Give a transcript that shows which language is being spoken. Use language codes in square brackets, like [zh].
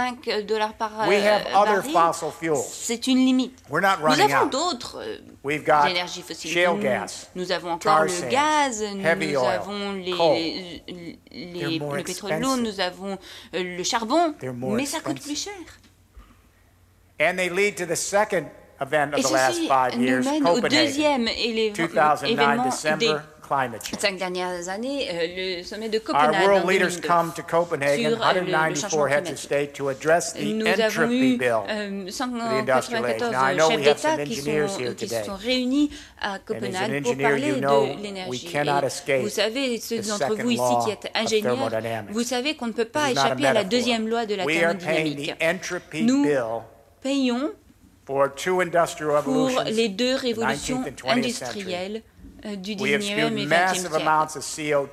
[fr] 124, 125 dollars par baril, c'est une limite. Nous avons d'autres énergies fossiles. Nous avons encore le gaz, nous avons le pétrole lourd. Nous avons le charbon, mais ça coûte plus cher. [en] And they lead to the second event of the last 5 years, Copenhagen, 2009, climate change. [fr] Cinq dernières années, le sommet de Copenhague. [en] Our world leaders come to Copenhagen, 194 heads of state, to address the entropy bill. The industrial age. Now I know we have some engineers here today. And as an engineer, you know we cannot escape the second law of thermodynamics. [fr] Vous savez, ceux d'entre vous ici qui êtes ingénieurs, vous savez qu'on ne peut pas échapper à la deuxième loi de la thermodynamique. Nous payons pour les deux révolutions industrielles du 19e et 20e siècle.